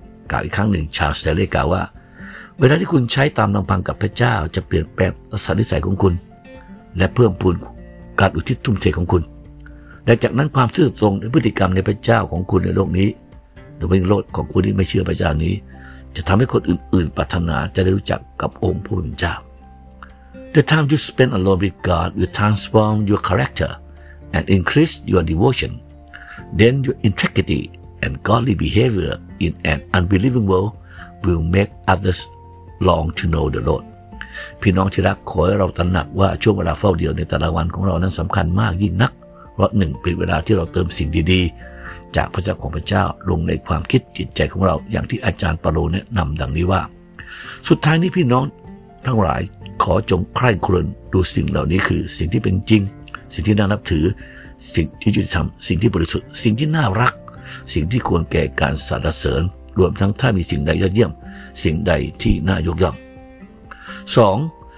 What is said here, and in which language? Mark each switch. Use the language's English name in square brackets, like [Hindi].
[Thai] กล่าวอีกครั้งหนึ่งชาร์ลส์เลเกล่าว่าเวลาที่คุณใช้ตามลำพังกับพระเจ้าจะเปลี่ยนแปลงลักษณะนิสัยของคุณและเพิ่มพูนการอุทิศทุ่มเทของคุณและจากนั้นความซื่อตรงในพฤติกรรมในพระเจ้าของคุณในโลกนี้หรือในโลกของคุณที่ไม่เชื่อพระเจ้านี้จะทำให้คนอื่นๆปรารถนาจะได้รู้จักกับองค์ผู้เป็นเจ้าด [English] The time you spend alone with God will transform your character and increase your devotion. Then your integrity and godly behavior in an unbelieving world will make others long to know the Lord. [Thai] พี่น้องที่รักขอให้เราตระหนักว่าช่วงเวลาเฝ้าเดียวในแต่ละวันของเรานั้นสำคัญมากยิ่งนักเพราะหนึ่งเป็นเวลาที่เราเติมสิ่งดีๆจากพระเจ้าของพระเจ้าลงในความคิดจิตใจของเราอย่างที่อาจารย์เปาโลแนะนำดังนี้ว่า สุดท้ายนี้พี่น้องทั้งหลายขอจงใคร่ครวญดูสิ่งเหล่านี้คือสิ่งที่เป็นจริงสิ่งที่น่านับถือสิ่งที่ยุติธรรมสิ่งที่บริสุทธิ์สิ่งที่น่ารักสิ่งที่ควรแก่การสรรเสริญรวมทั้งถ้ามีสิ่งใดยอดเยี่ยมสิ่งใดที่น่ายกย่อง 2.